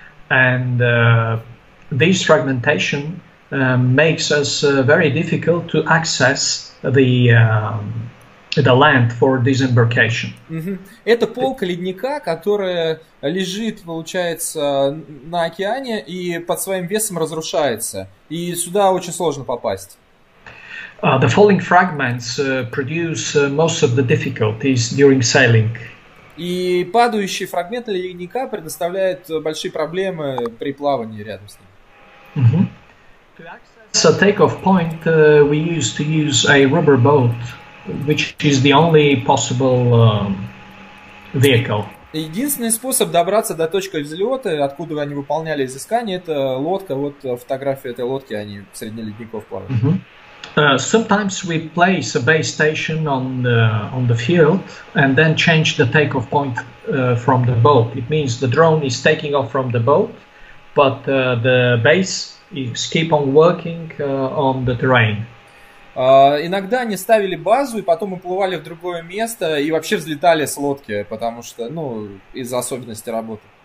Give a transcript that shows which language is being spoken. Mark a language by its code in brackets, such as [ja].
[en] And this fragmentation makes us very difficult to access the land for disembarkation. [ru] Это полка ледника, которая лежит, получается, на океане и под своим весом разрушается. И сюда очень сложно попасть. [en] The falling fragments produce most of the difficulties during sailing. [ru] И падающие фрагменты ледника предоставляют большие проблемы при плавании рядом с ним. [en] As a take-off point, we used to use a rubber boat, which is the only possible vehicle. [ru] Единственный способ добраться до точки взлета, откуда они выполняли изыскание, это лодка. Вот фотография этой лодки, они среди ледников плавают. [en] Sometimes we place a base station on the field and then change the takeoff point from the boat. It means the drone is taking off from the boat, but the base is keep on working on the terrain. [ru] Иногда они ставили базу и потом уплывали в другое место и вообще взлетали с лодки, потому что, ну, из-за особенностей работы.